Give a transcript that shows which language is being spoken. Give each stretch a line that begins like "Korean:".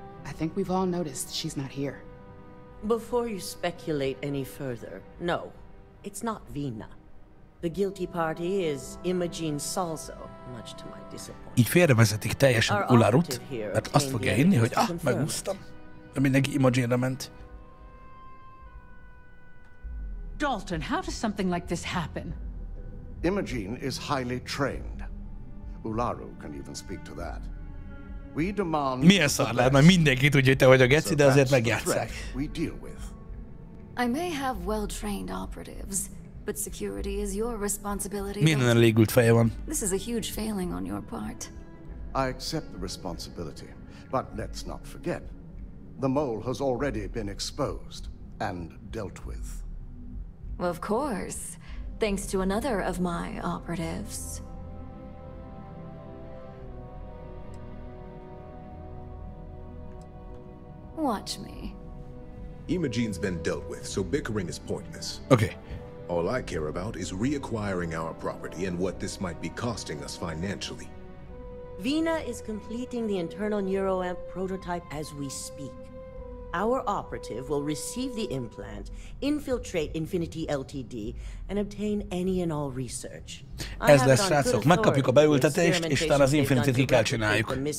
English: I think we've all noticed she's not here. Before you speculate any further, no, it's not Vina. The guilty party is Imogen Salzo, much to my disappointment.
Hungarian: Így félrevezetik teljesen Ularut, mert azt fogja hinni, hogy ah, megúsztam. Mindenki Imogenre ment.
English: Dalton, how does something like this happen? Imogen is highly trained. Ularu can even speak to that. We demand.
Hungarian: Milyen szar lehet, mert mindenki tudja, hogy te vagy a geci, de azért megjátszák.
English: We deal with. I may have well-trained operatives, but security is your responsibility.
Hungarian: Minden elégült feje van.
English: This is a huge failing on your part. I accept the responsibility, but let's not forget. The mole has already been exposed and dealt with. Of course, thanks to another of my operatives. Watch me. Imogen's been dealt with, so bickering is pointless. Okay. All I care about is reacquiring our property and what this might be costing us financially. Vina is completing the internal neuroamp prototype as we speak. Our operative will receive the implant, infiltrate Infinity LTD, and obtain any and all research.
Hungarian: Ez lesz, srácok, megkapjuk a beültetést, és talán az Infinity-t kell csináljuk.